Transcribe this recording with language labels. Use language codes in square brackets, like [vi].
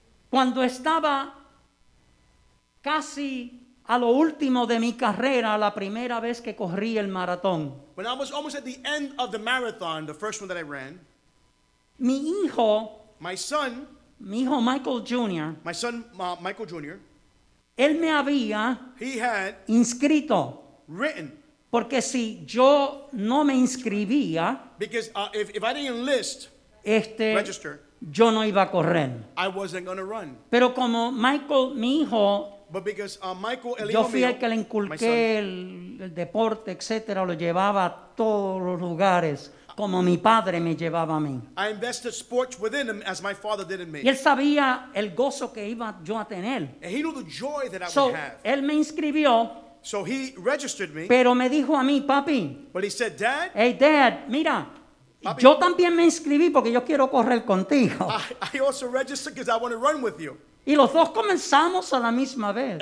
[es] Cuando estaba casi a lo último de mi carrera, la primera vez que corrí el maratón. [en] When I was almost at the end of the marathon, the first one that I ran. [es] Mi hijo. [en] My son. [es] Mi hijo Michael Jr. [en] My son Michael Jr. [es] Él me había. [en] He had. [es] Inscrito. [en] Written. [es] Porque si yo no me inscribía. [en] Because if I didn't enlist. [es] Este, [en] register. [es] Yo no iba a correr. [en] I wasn't gonna run. [es] Pero como Michael, mi hijo, [en] but because, Michael, el [es] yo fui el que le inculqué el deporte, etcétera, lo llevaba a todos los lugares como mi padre me llevaba a mí. [en] I invested sports within him as my father did in me. [es] Y él sabía el gozo que iba yo a tener. [en] And he knew the joy that I so, would have. [es] Él me inscribió. [en] So he registered me. [es] Pero me dijo a mí, papi. [en] But he said, Dad. Hey, Dad, [es] mira. Papi, yo también me inscribí porque yo quiero correr contigo. [en] I also registered because I want to run with you. [es] Y los dos comenzamos a la misma vez.